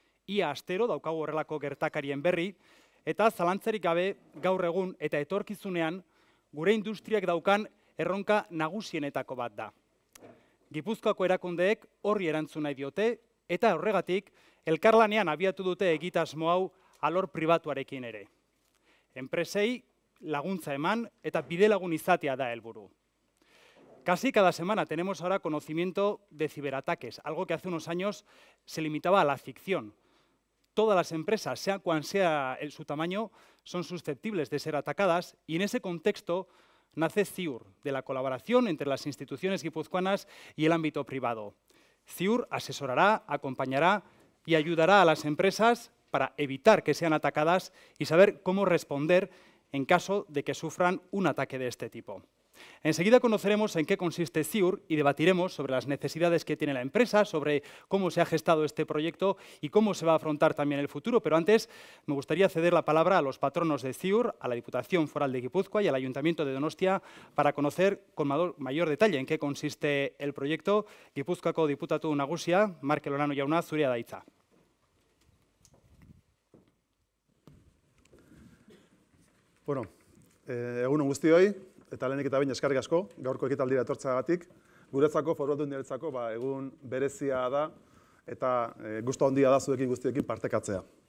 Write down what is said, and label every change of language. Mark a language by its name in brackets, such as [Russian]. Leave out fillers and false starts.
[Basque] Ia astero daukagu horrelako gertakarien berri, eta zalantzarik gabe gaur egun eta etorkizunean, gure industriak daukan erronka nagusienetako bat da. Gipuzkoako erakundeek horri erantzun nahi diote, eta horregatik, elkarlanean abiatu dute egitasmo hau alor pribatuarekin ere. Enpresei laguntza eman eta bidelagun izatea da helburu. [Spanish] Casi cada semana tenemos ahora conocimiento de ciberataques, algo que hace unos años se limitaba a la ficción. Todas las empresas, sea cual sea su tamaño, son susceptibles de ser atacadas y en ese contexto nace CIUR, de la colaboración entre las instituciones guipuzcoanas y el ámbito privado. CIUR asesorará, acompañará y ayudará a las empresas para evitar que sean atacadas y saber cómo responder en caso de que sufran un ataque de este tipo. Enseguida conoceremos en qué consiste CIUR y debatiremos sobre las necesidades que tiene la empresa, sobre cómo se ha gestado este proyecto y cómo se va a afrontar también el futuro. Pero antes me gustaría ceder la palabra a los patronos de CIUR, a la Diputación Foral de Gipuzkoa y al Ayuntamiento de Donostia para conocer con mayor detalle en qué consiste el proyecto. [Basque] Gipuzkoako Diputatu Nagusia, Marke Lorano Jauna, zurea da hitza. Bueno, egun on guztioi. Eta lehenik eta behin eskarrik asko, gaurko ekitaldira etortzeagatik. Guretzako, Foru Aldundiarentzako, ba, egun berezia da eta gustu handia da zuekin guztiekin partekatzea.